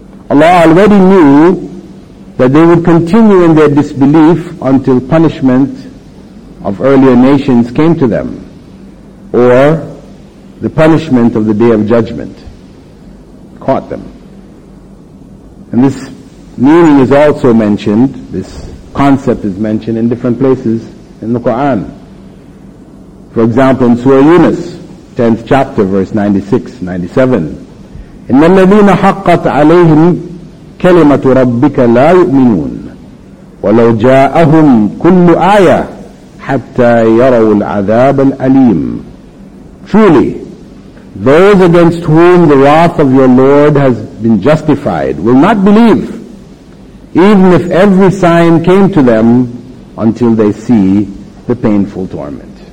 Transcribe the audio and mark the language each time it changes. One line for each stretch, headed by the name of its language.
English: Allah already knew that they would continue in their disbelief until punishment of earlier nations came to them, or the punishment of the Day of Judgment caught them. And this meaning is also mentioned, this concept is mentioned in different places in the Quran. For example, in Surah Yunus, 10th chapter, verse 96-97,
Arabic: إِنَّ الَّذِينَ حَقَّتْ عَلَيْهِمْ كَلِمَةُ رَبِّكَ لَا يُؤْمِنُونَ وَلَوْ جَاءَهُمْ كُلُّ آيَةٍ حَتَّى يَرَوُوا الْعَذَابَ الْأَلِيمِ.
English: Truly, those against whom the wrath of your Lord has been justified will not believe, even if every sign came to them, until they see the painful torment.